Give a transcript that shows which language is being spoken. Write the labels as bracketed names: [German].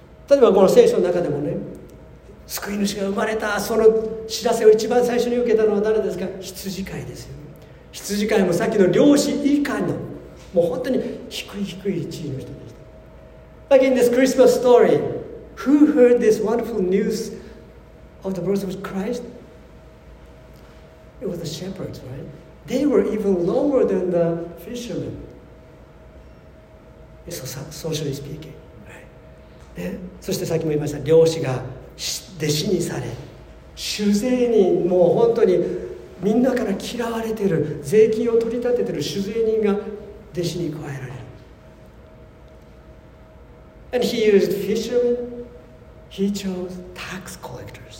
[Japanese] 例えばこの聖書の中でもね。救い主が生まれた、その知らせを一番最初に受けたのは誰ですか？羊飼いですよ。羊飼いもさっきの漁師以下の、もう本当に低い低い地位の人でした。 [English] Back in this Christmas story, who heard this wonderful news of the birth of Christ? It was the shepherds, right? They were even lower than the fishermen. Socially speaking. [Japanese] ね、そしてさっきも言いました、漁師が弟子にされ、酒税人、もう本当にみんなから嫌われてる、税金を取り立ててる酒税人が弟子に加えられる。 [English] And he used fishermen, he chose tax collectors、right?